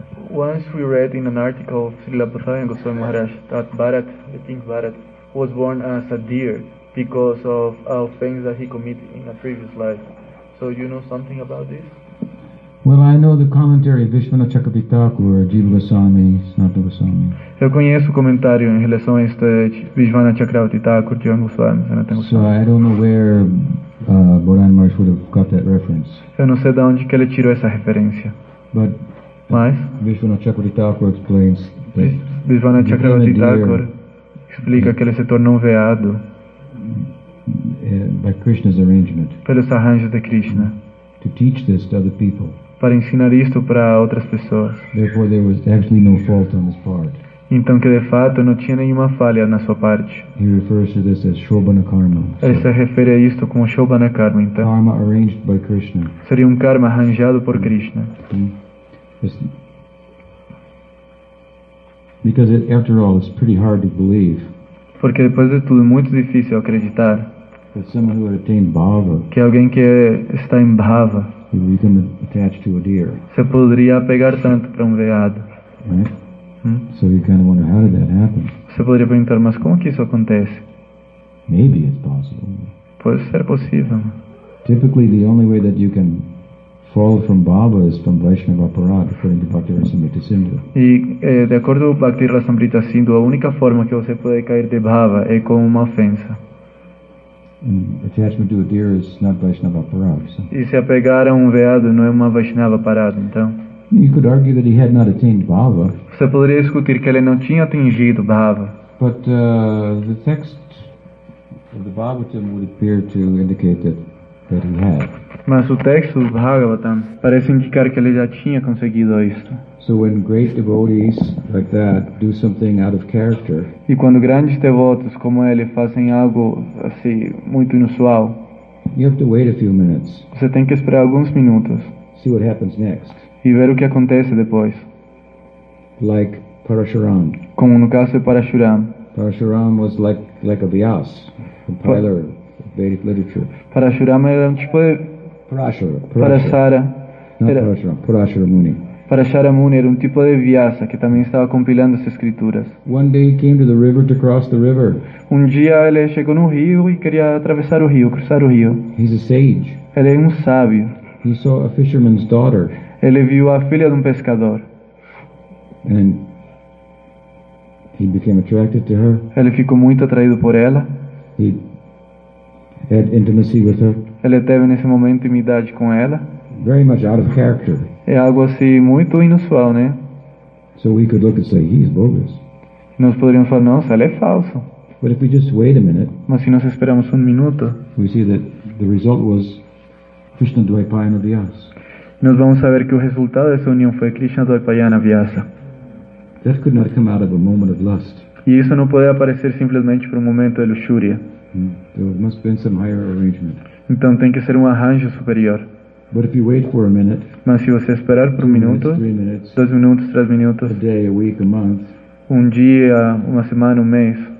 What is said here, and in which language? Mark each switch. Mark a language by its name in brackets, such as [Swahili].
[English] Once we read in an article of Srila Prabhupada Goswami Maharaj that Bharat, I think Bharat, was born as a deer because of things that he committed in a previous life. So you know something about this? Well, I know the commentary of Vishwanath Chakravarti, Jiva Goswami, Sanatana Goswami. [Portuguese] Eu conheço o comentário em relação a este Vishwanath Chakravarti, Jiva Goswami, Sanatana Goswami. [English] So I don't know where Bodhan Maharaj would have got that reference. [Portuguese] Eu não sei de onde que ele tirou essa referência. [English] But [Portuguese] mas [English] Vishwanath Chakravarti Thakur explains [Portuguese] Vishwanath Chakravarti Thakur explica que ele se tornou um veado [English] by Krishna's arrangement, [Portuguese] pelos arranjos de Krishna, [English] to teach this to other people, [Portuguese] para ensinar isto para outras pessoas. [English] Therefore, there was actually no fault on his part. [Portuguese] Então que de fato não tinha nenhuma falha na sua parte. [English] He refers to this as Shobhana Karma. [Portuguese] Ele se refere a isto como Shobhana Karma. Então [English] karma arranged by Krishna. [Portuguese] Seria karma arranjado por Krishna. Mm-hmm. [English] Because it, after all, it's pretty hard to believe. [Portuguese] Porque depois de tudo é muito difícil acreditar. [English] That someone who had attained bhava. [Portuguese] Que alguém que está em bhava. [English] You can attach to a deer. [Portuguese] Se poderia pegar tanto para veado. [English] So you kind of wonder how did that happen? [Portuguese] Você poderia perguntar, mas como que isso acontece? [English] Maybe it's possible. [Portuguese] Pode ser possível. [English] Typically, the only way that you can fall from bhava is from Vaishnava Parada, according to Bhakti Rasamrita Sindhu. [Portuguese] E de acordo com Bhakti Rasamrita Sindhu, a única forma que você pode cair de bhava é com uma ofensa. [English] And attachment to a deer is not Vaishnava Parada. So. [Portuguese] E se apegar a veado não é uma Vaishnava Parada, então. [English] You could argue that he had not attained bhava. [Portuguese] Você poderia discutir que ele não tinha atingido bhava. [English] But the text of the Bhagavatam would appear to indicate that he had. [Portuguese] Mas o texto do Bhagavatam parece indicar que ele já tinha conseguido isto. [English] So when great devotees like that do something out of character. [Portuguese] E quando grandes devotos como ele fazem algo assim muito inusual. [English] You have to wait a few minutes. [Portuguese] Você tem que esperar alguns minutos. [English] See what happens next. [Portuguese] E ver o que acontece depois. [English] Like Parashuram. [Portuguese] Como no caso de Parashuram. [English] Parashuram was like a Vyas, compiler of Vedic literature. [Portuguese] Parashuram era um tipo de Parashuramuni. Parashuramuni era um tipo de Vyasa que também estava compilando as escrituras. [English] One day he came to the river to cross the river. [Portuguese] Um dia ele chegou no rio e queria atravessar o rio, cruzar o rio. [English] He's a sage. [Portuguese] Ele é um sábio. [English] He saw a fisherman's daughter. [Portuguese] Ele viu a filha de pescador. [English] And he became attracted to her. [Portuguese] Ele ficou muito atraído por ela. [English] He had intimacy with her. [Portuguese] Ele teve nesse momento intimidade com ela. [English] Very much out of character. [Portuguese] É algo assim muito inusual, né? [English] So we could look and say he's bogus. [Portuguese] Nós poderíamos falar, nossa, ele é falso. [English] But if we just wait a minute, [Portuguese] mas se nós esperamos minuto, [English] we see that the result was Krishna Dvaipayana Vyas. [Portuguese] Nós vamos saber que o resultado dessa união foi Krishna Dvaipayana Vyasa. [English] That could not come out of a moment of lust. [Portuguese] E isso não pode aparecer simplesmente por momento de luxúria. [English] There must be some higher arrangement. [Portuguese] Então tem que ser arranjo superior. [English] But if you wait for a minute, [Portuguese] mas se você esperar por [English] minutes, 3 minutes, 2 minutes, [Portuguese] 3 minutos, [English] a day, a week, a month, [Portuguese] um dia, uma semana, um mês,